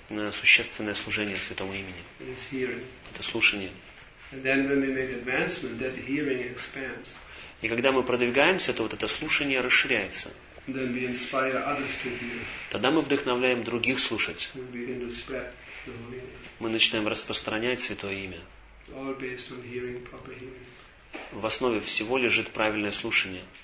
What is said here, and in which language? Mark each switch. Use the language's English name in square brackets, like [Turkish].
[Russian] существенное служение Святому Имени. Это слушание. [English] And then when we make advancement, that hearing expands. [Russian] И когда мы продвигаемся, то вот это слушание расширяется. [English] Then we inspire others to hear. [Russian] Тогда мы вдохновляем других слушать. [English] And we begin to spread the Holy Name. [Russian] Мы начинаем распространять Святое Имя. [English] All based on hearing, proper hearing. [Russian] В основе всего лежит правильное слушание.